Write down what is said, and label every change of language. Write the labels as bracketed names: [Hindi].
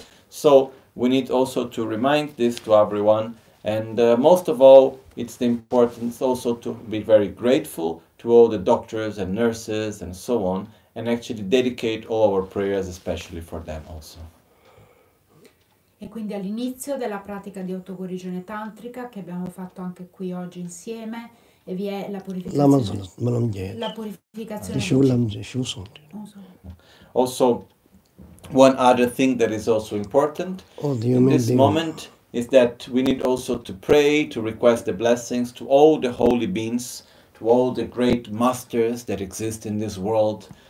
[English] So we need also to remind this to everyone. And most of all, it's the importance also to be very grateful to all the doctors and nurses and so on, and actually dedicate all our prayers especially for them also. [Italian] E quindi all'inizio della pratica di autoguarigione tantrica che abbiamo fatto anche qui oggi insieme, e vi è la purificazione. La purificazione. [English] Also, one other thing that is also important in this moment is that we need also to pray, to request the blessings to all the holy beings, to all the great masters that exist in this world,